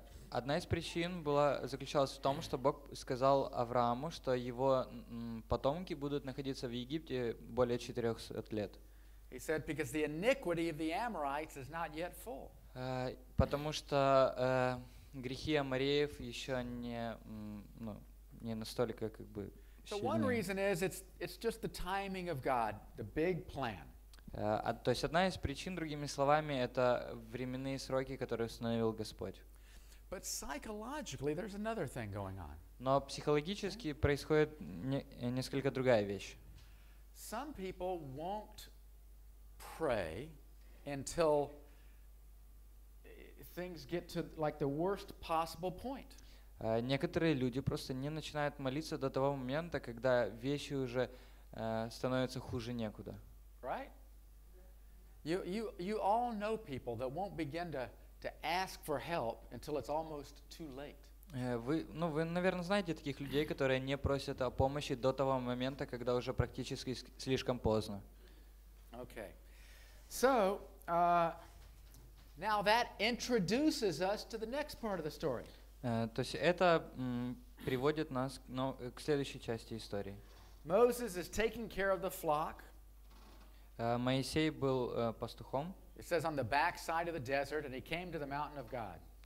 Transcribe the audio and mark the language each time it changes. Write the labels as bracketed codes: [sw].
[ru] Одна из причин была заключалась в том, что Бог сказал Аврааму, что его потомки будут находиться в Египте более 400 лет. [en] He said because the iniquity of the Amorites is not yet full. [ru] Потому что грехи амореев еще не не настолько как бы сильны. [en] So one reason is it's just the timing of God, the big plan. [ru] То есть одна из причин, другими словами, это временные сроки, которые установил Господь. [en] But psychologically, there's another thing going on. [ru] Но психологически происходит несколько другая вещь. [en] Some people won't pray until things get to like the worst possible point. [ru] Некоторые люди просто не начинают молиться до того момента, когда вещи уже становятся хуже некуда. [en] Right? You all know people that won't begin to ask for help until it's almost too late. [ru] Вы, наверное, знаете таких людей, которые не просят о помощи до того момента, когда уже практически слишком поздно. [en] Okay. So, now that introduces us to the next part of the story. [ru] То есть это приводит нас к следующей части истории. [en] Moses is taking care of the flock. [ru] Моисей был пастухом. [en] It says on the back side of the desert, and he came to the mountain of God.